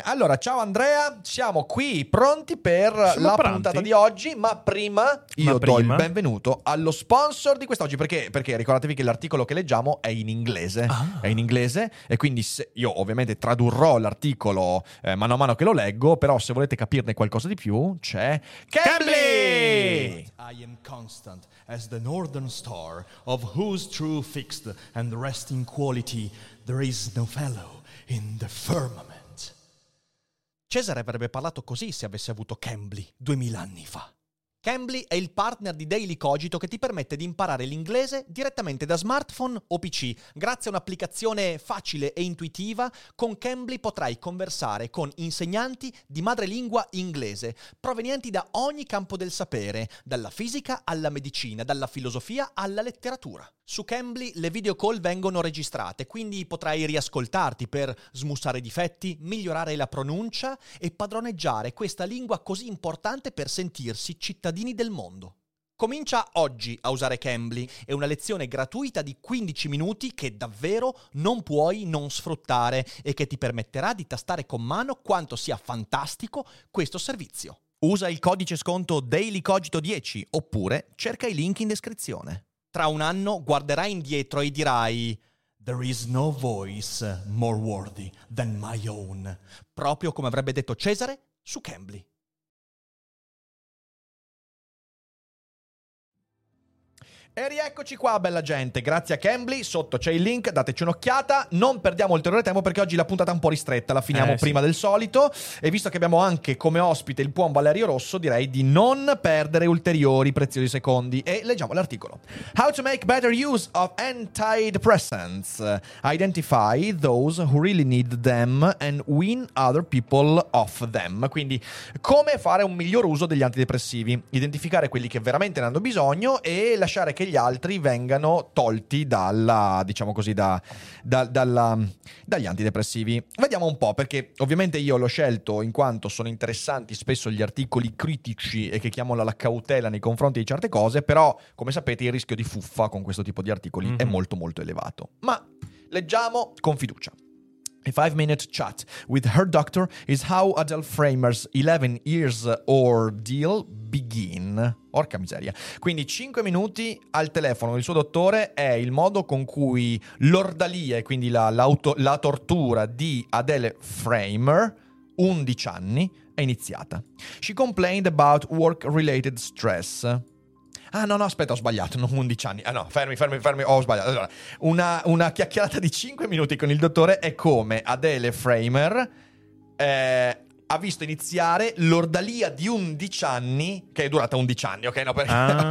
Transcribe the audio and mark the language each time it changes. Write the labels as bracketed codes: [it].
[it] Allora, ciao Andrea, siamo qui pronti per puntata di oggi, ma prima do il benvenuto allo sponsor di quest'oggi. Perché ricordatevi che l'articolo che leggiamo è in inglese. Ah. È in inglese, e quindi io ovviamente tradurrò l'articolo mano a mano che lo leggo, però se volete capirne qualcosa di più, c'è Cambly! [en] I am constant as the northern star, of whose true fixed and resting quality there is no fellow in the firmament. [it] Cesare avrebbe parlato così se avesse avuto Cambly 2000 anni fa. Cambly è il partner di Daily Cogito che ti permette di imparare l'inglese direttamente da smartphone o PC. Grazie a un'applicazione facile e intuitiva, con Cambly potrai conversare con insegnanti di madrelingua inglese, provenienti da ogni campo del sapere, dalla fisica alla medicina, dalla filosofia alla letteratura. Su Cambly le video call vengono registrate, quindi potrai riascoltarti per smussare difetti, migliorare la pronuncia e padroneggiare questa lingua così importante per sentirsi cittadini del mondo. Comincia oggi a usare Cambly, è una lezione gratuita di 15 minuti che davvero non puoi non sfruttare e che ti permetterà di tastare con mano quanto sia fantastico questo servizio. Usa il codice sconto DAILYCOGITO10 oppure cerca i link in descrizione. Tra un anno guarderai indietro e dirai: [en] There is no voice more worthy than my own. [it] Proprio come avrebbe detto Cesare su Cambly. E rieccoci qua, bella gente. Grazie a Cambly, sotto c'è il link, dateci un'occhiata. Non perdiamo ulteriore tempo perché oggi la puntata è un po' ristretta, la finiamo prima del solito. E visto che abbiamo anche come ospite il buon Valerio Rosso, direi di non perdere ulteriori preziosi secondi. E leggiamo l'articolo. [en] How to make better use of antidepressants. Identify those who really need them and wean other people off them. [it] Quindi, come fare un miglior uso degli antidepressivi. Identificare quelli che veramente ne hanno bisogno e lasciare che gli altri vengano tolti dalla, diciamo così, dagli antidepressivi. Vediamo un po', perché ovviamente io l'ho scelto in quanto sono interessanti spesso gli articoli critici e che chiamano la cautela nei confronti di certe cose, però come sapete il rischio di fuffa con questo tipo di articoli è molto molto elevato. Ma leggiamo con fiducia. [en] A 5-minute chat with her doctor is how Adele Framer's 11 years ordeal begin. [it] Orca miseria. Quindi 5 minuti al telefono il suo dottore è il modo con cui l'ordalia, e quindi la tortura di Adele Framer, 11 anni, è iniziata. [en] She complained about work-related stress. [it] Ah no, aspetta, ho sbagliato, non 11 anni. Ah no, fermi, ho sbagliato. Allora, una chiacchierata di 5 minuti con il dottore è come Adele Framer ha visto iniziare l'ordalia di 11 anni, che è durata 11 anni, ok? No, perché... Ah.